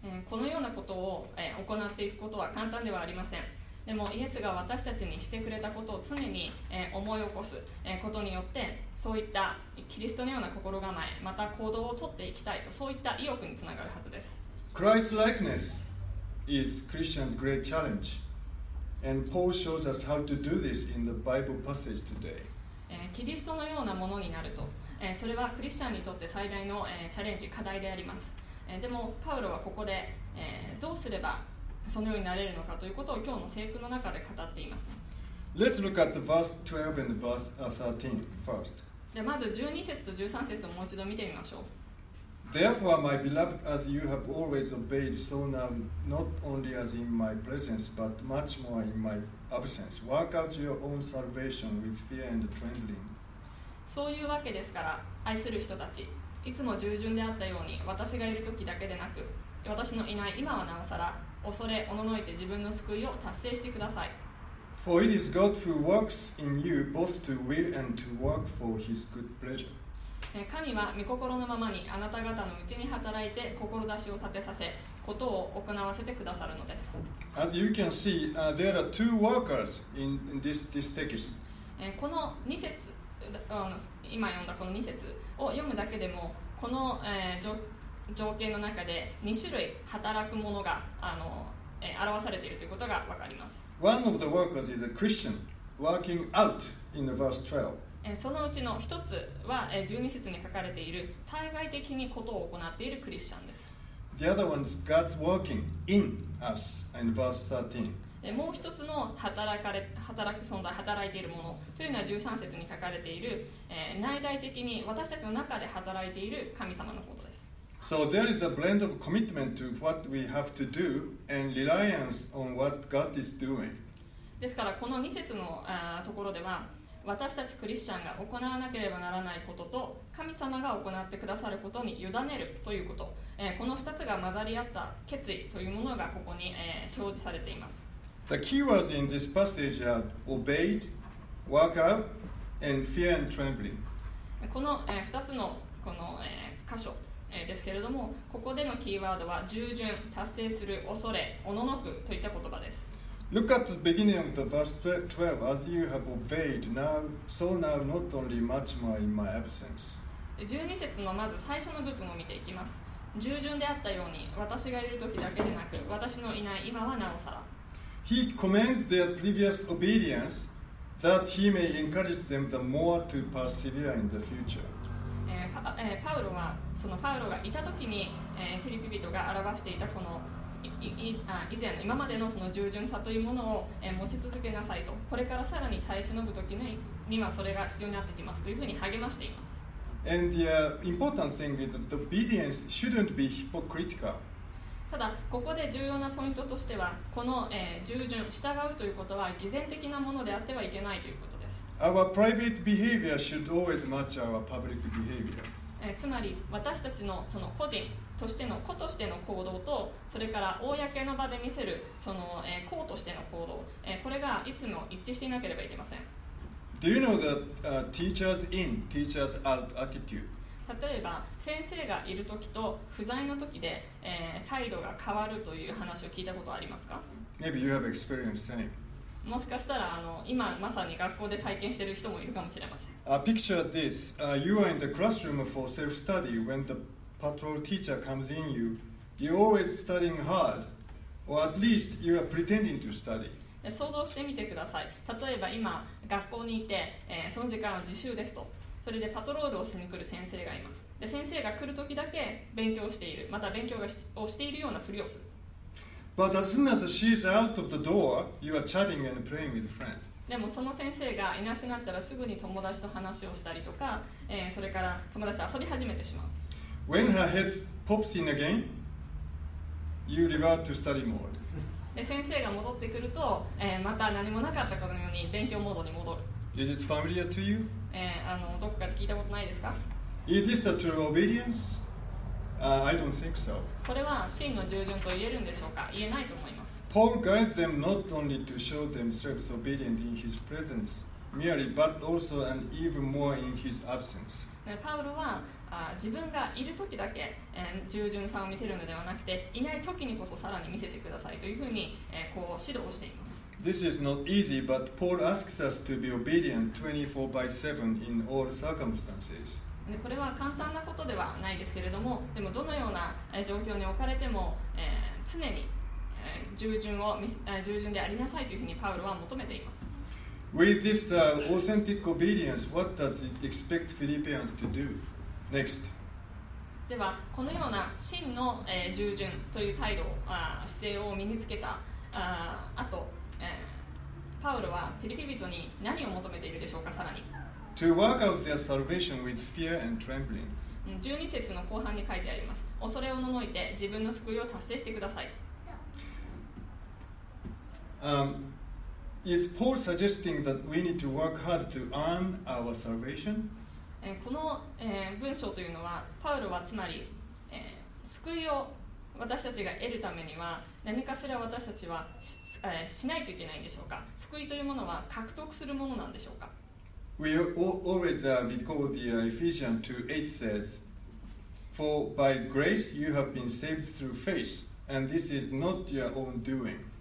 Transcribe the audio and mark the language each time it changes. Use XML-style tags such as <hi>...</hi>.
<ja>このようなことを行っていくことは簡単ではありません。でもイエスが私たちにしてくれたことを常に思い起こすことによってそういったキリストのような心構えまた行動をとっていきたいとそういった意欲につながるはずです。</ja> <en>Christ likeness is Christian's great challenge and Paul shows us how to do this in the Bible passage today.</en> <ja>キリストのようなものになるとそれはクリスチャンにとって最大のチャレンジ課題であります。でもパウロはここでどうすればそのようになれるのかということを今日の聖句の中で語っています。</ja> <en>Let's look at the verse 12 and verse 13 first.</en> <ja>でまず12節と13節をもう一度見てみましょう。</ja> <en>Therefore, my beloved, as you have always obeyed, so now, not only as in my presence, but much more in my absence, work out your own salvation with fear and trembling.</en> <ja>そういうわけですから、愛する人たち、いつも従順であったように、私がいるときだけでなく、私のいない今はなおさら、恐れおののいて自分の救いを達成してください。</ja> <en>For it is God who works in you both to will and to work for his good pleasure.</en> <ja>神は御心のままにあなた方のうちに働いて志を立てさせ、ことを行わせてくださるのです。</ja> <en>As you can see, there are two workers in this text.</en> <ja>この2節、今読んだこの2節を読むだけでも、この条件の中で2種類働くものが表されているということがわかります。</ja> <en>One of the workers is a Christian working out in the verse 12.</en> <ja>そのうちの一つは12節に書かれている対外的にことを行っているクリスチャンです。</ja> <en>The other one is God working in us in verse 13.</en> <ja>もう一つの働く存在、働いているものというのは13節に書かれている内在的に私たちの中で働いている神様のことです。</ja> <en>So there is a blend of commitment to what we have to do and reliance on what God is doing.</en> <ja>ですからこの2節のところでは私たちクリスチャンが行わなければならないことと神様が行ってくださることに委ねるということ、この2つが混ざり合った決意というものがここに、表示されています。</ja> <en>The keywords in this passage are obeyed, work out, and fear and trembling.</en> <ja>この、2つのこの、箇所ですけれども、ここでのキーワードは従順、達成する、恐れ、おののくといった言葉です。</ja> <en>Look at the beginning of the verse 12. As you have obeyed, now, so now not only much more in my absence.</en> <ja>12節のまず最初の部分を見ていきます。従順であったように、私がいる時だけでなく、私のいない今はなおさら。</ja> <en>He commends their previous obedience that he may encourage them the more to persevere in the future.</en> <ja>パウロはそのパウロがいたときに、フィリピ人が表していたこの以前の今までのその従順さというものを、持ち続けなさいと、これからさらに耐え忍ぶときに今それが必要になってきますというふうに励ましています。</ja> <en>And the important thing is that obedience shouldn't be hypocritical.</en> <ja>ただここで重要なポイントとしてはこの、従順、従うということは偽善的なものであってはいけないということです。</ja> <en>Our private behavior should always match our public behavior.</en> <ja>つまり私たちのその個人としての子としての行動とそれから公の場で見せるその子としての行動、これがいつも一致していなければいけません。</ja> <en>Do you know that teachers in, teachers out attitude?</en> <ja>例えば先生がいる時と不在の時で、態度が変わるという話を聞いたことありますか？</ja> <en>Maybe you have experienced same.</en> <ja>もしかしたら今まさに学校で体験している人もいるかもしれません。</ja> <en>Picture this. You are in the classroom for self-study when the patrol teacher comes in you. You're always studying hard, or at least you are pretending to study.</en> <ja>想像してみてください。例えば今学校にいて、その時間は自習ですと。それでパトロールをしに来る先生がいます。で先生が来る時だけ勉強している。また勉強をしているようなふりをする。</ja> <en>But as soon as she's out of the door, you are chatting and playing with a friend.</en> <ja>でもその先生がいなくなったらすぐに友達と話をしたりとか、それから友達と遊び始めてしまう。</ja> <en>When her head pops in again, you revert to study mode.</en> <ja>で先生が戻ってくると、また何もなかったかのように勉強モードに戻る。</ja> <en>Is it familiar to you?</en> <ja>どこかで聞いたことないですか?</ja> <en>Is this the true obedience? I don't think so.</en> <ja>これは真の従順と言えるんでしょうか? 言えないと思います。</ja> <en>Paul guides them not only to show themselves obedient in his presence merely, but also and even more in his absence.</en> <ja>パウロは自分がいるときだけ従順さを見せるのではなくて、いないときにこそさらに見せてくださいというふうにこう指導しています。</ja> <en>This is not easy, but Paul asks us to be obedient 24/7 in all circumstances.</en> <ja>これは簡単なことではないですけれども、でもどのような状況に置かれても常に従順でありなさいというふうにパウロは求めています。</ja> <en>With this authentic obedience, what does it expect Philippians to do? Next.</en> <ja>ではこのような真の、従順という態度、姿勢を身につけた後、パウロはフィリピ人に何を求めているでしょうか。さらに</ja> <en>To work out their salvation with fear and trembling.</en> <ja>12節の後半に書いてあります。恐れをののいて自分の救いを達成してください。</ja> <en>Is Paul suggesting that we need to work hard to earn our salvation?</en> <ja>この文章というのはパウロはつまり救いを私たちが得るためには何かしら私たちは しないといけないんでしょうか。救いというものは獲得するものなんでしょうか。</ja> <en>We always recall the Ephesians 2:8 says For by grace you have been saved through faith and this is not your own doing.</en>